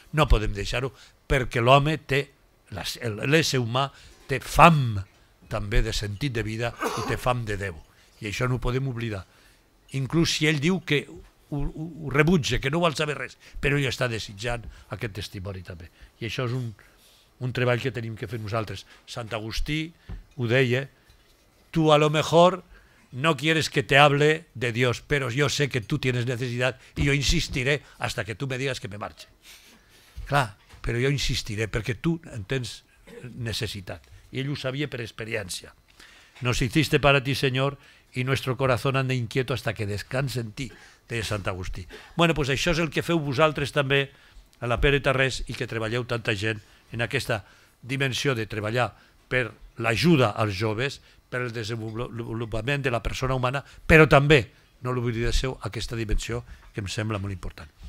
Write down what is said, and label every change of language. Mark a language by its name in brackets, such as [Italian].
[Catalan] No podem deixar-ho perquè l'home té, l'ésser humà té fam també de sentit de vida i té fam de Déu. I això no ho podem oblidar. Inclús si ell diu que ho rebutja, que no vol saber res, però ell està desitjant aquest testimoni també. I això és un treball que tenim que fer nosaltres. Sant Agustí ho deia, [Spanish] tu a lo mejor no quieres que te hable de Dios, pero yo sé que tú tienes necesidad y yo insistiré hasta que tú me digas que me marche. [Catalan] Clar, però jo insistiré perquè tu en tens necessitat. I ell ho sabia per experiència. [Spanish] Nos hiciste para ti, Señor, y nuestro corazón anda inquieto hasta que descanse en ti, de Sant Agustí. [Catalan] Bueno, pues això és el que feu vosaltres també a la Pere Tarrés i que treballeu tanta gent en aquesta dimensió de treballar per l'ajuda als joves, per el desenvolupament de la persona humana, però també, no l'oblideu, aquesta dimensió que em sembla molt important.